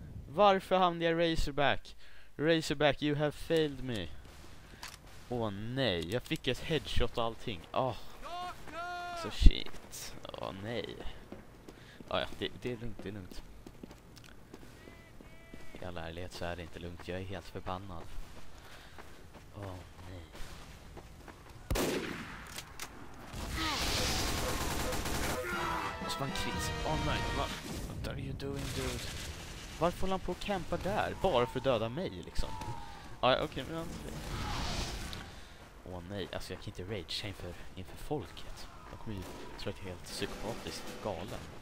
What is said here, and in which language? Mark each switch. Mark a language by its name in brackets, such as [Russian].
[Swedish] Varför hamnade jag Razorback? [English] Razorback, you have failed me. [Swedish] Åh, nej. Jag fick ett headshot och allting. Åh. Så shit. Åh, nej. Åh, ja, det är lugnt, det är lugnt. I all ärlighet så är det inte lugnt. Jag är helt förbannad. Åh. Man krits. [English] Oh nej, what are you doing, dude? [Swedish] Varför håller han på att campa där? Bara för att döda mig, liksom. Okej, men... Åh nej, alltså jag kan inte rage inför folket. De kommer ju tro att jag är helt psykopatiskt galen.